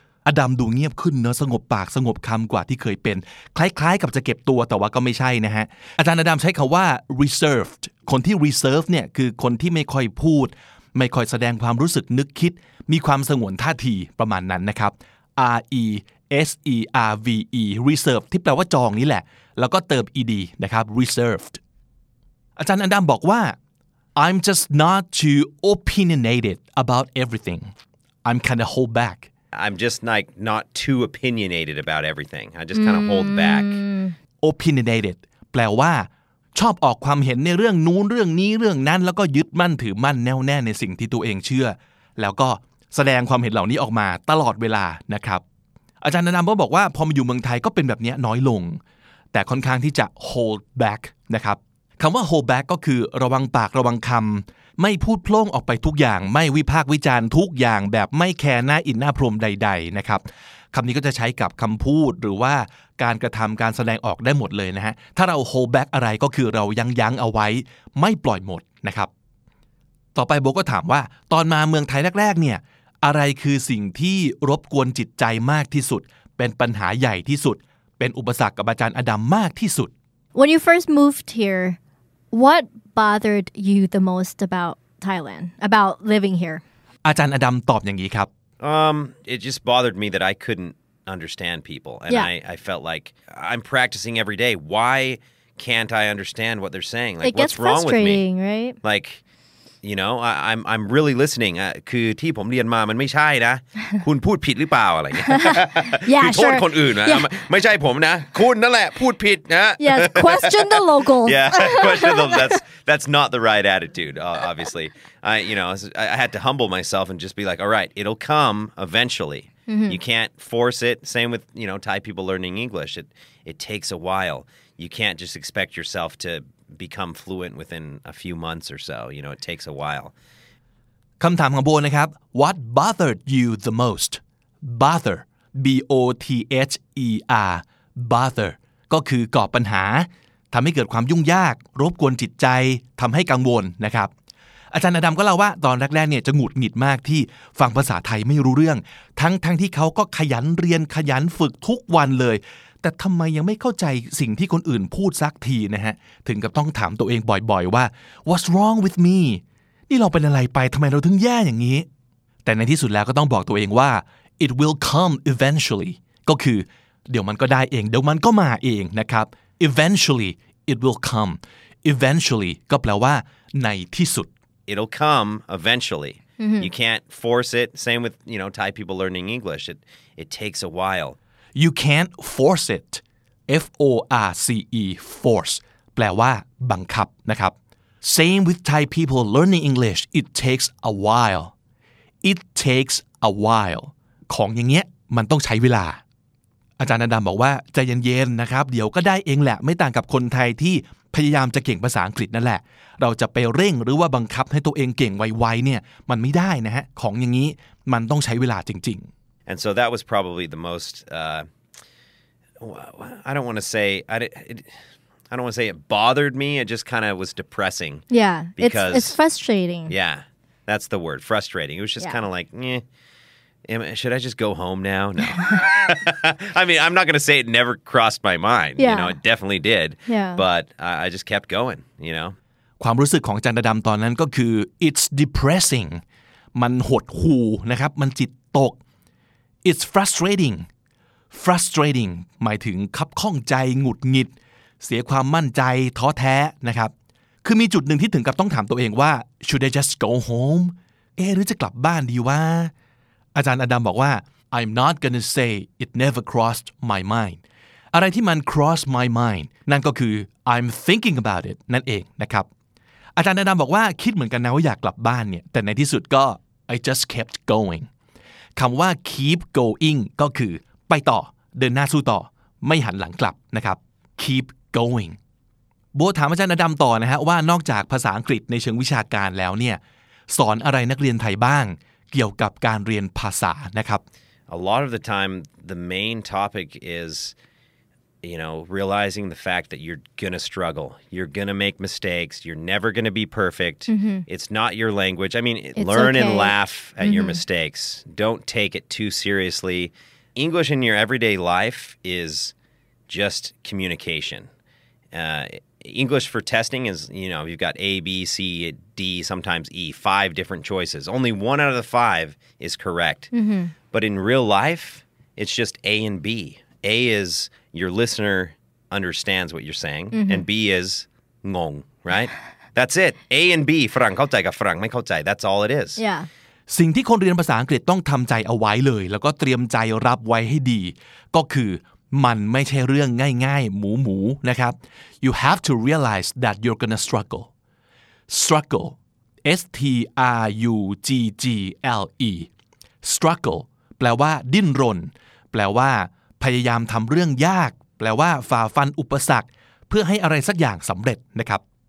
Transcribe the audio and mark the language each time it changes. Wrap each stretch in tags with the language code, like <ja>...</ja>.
<th>อดัมดูเงียบขึ้นเนอะสงบปากสงบคำกว่าที่เคยเป็นคล้ายๆกับจะเก็บตัวแต่ว่าก็ไม่ใช่นะฮะอาจารย์อดัมใช้คำว่า reserved คนที่ reserved เนี่ยคือคนที่ไม่ค่อยพูดไม่ค่อยแสดงความรู้สึกนึกคิดมีความสงวนท่าทีประมาณนั้นนะครับ reserve reserved ที่แปลว่าจองนี่แหละแล้วก็เติม ed นะครับ reserved อาจารย์อดัมบอกว่า</th> <en>I'm just not too opinionated about everything I'm kind of hold back I'm just like not too opinionated about everything. I just kind of hold back.</en> <th>Opinionated แปลว่าชอบออกความเห็นในเรื่องนู้นเรื่องนี้เรื่องนั้นแล้วก็ยึดมั่นถือมั่นแน่วแน่ในสิ่งที่ตัวเองเชื่อแล้วก็แสดงความเห็นเหล่านี้ออกมาตลอดเวลานะครับอาจารย์นันท์ก็บอกว่าพอมาอยู่เมืองไทยก็เป็นแบบนี้น้อยลงแต่ค่อนข้างที่จะ hold back นะครับ คำว่า hold back ก็คือระวังปากระวังคำไม่พูดโพล่งออกไปทุกอย่างไม่วิพากษ์วิจารณ์ทุกอย่างแบบไม่แคร์หน้าอินหน้าพรมใดๆนะครับคำนี้ก็จะใช้กับคำพูดหรือว่าการกระทำการแสดงออกได้หมดเลยนะฮะถ้าเรา hold back อะไรก็คือเรายังยั้งเอาไว้ไม่ปล่อยหมดนะครับต่อไปโบก็ถามว่าตอนมาเมืองไทยแรกๆเนี่ยอะไรคือสิ่งที่รบกวนจิตใจมากที่สุดเป็นปัญหาใหญ่ที่สุดเป็นอุปสรรคกับอาจารย์อดัมมากที่สุด</th> <en>When you first moved here what bothered you the most about Thailand about living here</en> <th>อาจารย์อดัมตอบอย่างนี้ครับ</th> <en>It just bothered me that I couldn't understand people and yeah. I felt like I'm practicing every day why can't I understand what they're saying like It gets what's wrong with me right likeYou know, I'm really listening.</en> <th>คือที่ผมเรียนมามันไม่ใช่นะคุณพูดผิดหรือเปล่าอะไรเงี้ยคือ โทษคนอื่นนะไม่ใช่ผมนะคุณนั่นแหละพูดผิดนะ</th> <en>Yes, question the locals. Yeah, question them. That's not the right attitude, obviously. I had to humble myself and just be like, all right, it'll come eventually. Mm-hmm. You can't force it. Same with, you know, Thai people learning English. It takes a while. You can't just expect yourself to... become fluent within a few months or so. You know, it takes a while.</en> <th>คำถามของโบนะครับ</th> <en>What bothered you the most? Bother.</en> <th>B-O-T-H-E-R. Bother. ก็คือก่อปัญหาทำให้เกิดความยุ่งยากรบกวนจิตใจทำให้กังวลนะครับอาจารย์อดัมก็เล่าว่าตอนแรกๆเนี่ยจะหงุดหงิดมากที่ฟังภาษาไทยไม่รู้เรื่องทั้งที่เขาก็ขยันเรียนขยันฝึกทุกวันเลยแต่ทำไมยังไม่เข้าใจสิ่งที่คนอื่นพูดสักทีนะฮะถึงกับต้องถามตัวเองบ่อยๆว่า</th> <en>What's wrong with me</en> <th>นี่เราเป็นอะไรไปทำไมเราถึงแย่อย่างนี้แต่ในที่สุดแล้วก็ต้องบอกตัวเองว่า</th> <en>It will come eventually</en> <th>ก็คือเดี๋ยวมันก็ได้เองเดี๋ยวมันก็มาเองนะครับ</th> <en>Eventually it will come eventually</en> <th>ก็แปลว่าในที่สุด</th> <en>It'll come eventually mm-hmm. You can't force it same with you know Thai people learning English it takes a while You can't force it. F-O-R-C-E, force.</en> <th>แปลว่าบังคับนะครับ</th> <en>Same with Thai people learning English. It takes a while. It takes a while.</en> <th>ของอย่างเงี้ยมันต้องใช้เวลาอาจารย์อดัมบอกว่าใจเย็นๆนะครับเดี๋ยวก็ได้เองแหละไม่ต่างกับคนไทยที่พยายามจะเก่งภาษาอังกฤษนั่นแหละเราจะไปเร่งหรือว่าบังคับให้ตัวเองเก่งไวๆเนี่ยมันไม่ได้นะฮะของอย่างงี้มันต้องใช้เวลาจริงๆ</th> <en>And so that was probably the most, I don't want to say, I don't want to say it bothered me. It just kind of was depressing. Yeah. Because, it's frustrating. Yeah. That's the word, frustrating. It was just kind of like, should I just go home now? No. I mean, I'm not going to say it never crossed my mind. Yeah. You know, it definitely did. Yeah. But I just kept going, you know.</en> <th>ความรู้สึกของจันดาดำตอนนั้นก็คือ</th> <en>it's depressing.</en> <th>มันหดหูนะครับมันจิตตก</th> <en>It's frustrating.</en> <th>Frustrating หมายถึงขับข้องใจหงุดหงิดเสียความมั่นใจท้อแท้นะครับคือมีจุดหนึ่งที่ถึงกับต้องถามตัวเองว่า</th> <en>Should I just go home?</en> <th>หรือจะกลับบ้านดีวะอาจารย์อดัมบอกว่า</th> <en>I'm not gonna say it never crossed my mind.</en> <th>อะไรที่มัน cross my mind นั่นก็คือ</th> <en>I'm thinking about it</en> <th>นั่นเองนะครับอาจารย์อดัมบอกว่าคิดเหมือนกันนะว่าอยากกลับบ้านเนี่ยแต่ในที่สุดก็</th> <en>I just kept going.</en> <th>คำว่า keep going ก็คือไปต่อเดินหน้าสู้ต่อไม่หันหลังกลับนะครับ keep going บัวถามอาจารย์อดัมต่อนะฮะว่านอกจากภาษาอังกฤษในเชิงวิชาการแล้วเนี่ยสอนอะไรนักเรียนไทยบ้างเกี่ยวกับการเรียนภาษานะครับ</th> <en>A lot of the time the main topic is you know realizing the fact that you're gonna struggle you're gonna make mistakes you're never gonna be perfect mm-hmm. it's not your language I mean learn and laugh at your mistakes don't take it too seriously English in your everyday life is just communication English for testing is you know you've got A B C D sometimes E five different choices only one out of the five is correct but in real life it's just A and B A is your listener understands what you're saying and B is</en> <th>งง</th> <en>right that's it A and B</en> <th>ฟังเข้าใจกับฟังไม่เข้าใจ</th> <en>that's all it is yeah</en> <th>สิ่งที่คนเรียนภาษาอังกฤษต้องทำใจเอาไว้เลยแล้วก็เตรียมใจรับไว้ให้ดีก็คือมันไม่ใช่เรื่องง่ายๆหมูหมูนะครับ</th> <en>you have to realize that you're gonna struggle</en> <th>S T R U G G L E struggle แปลว่าดิ้นรนแปลว่าพยายามทำเรื่องยากแปลว่าฝ่าฟันอุปสรรคเพื่อให้อะไรสักอย่างสำเร็จนะครับ</th>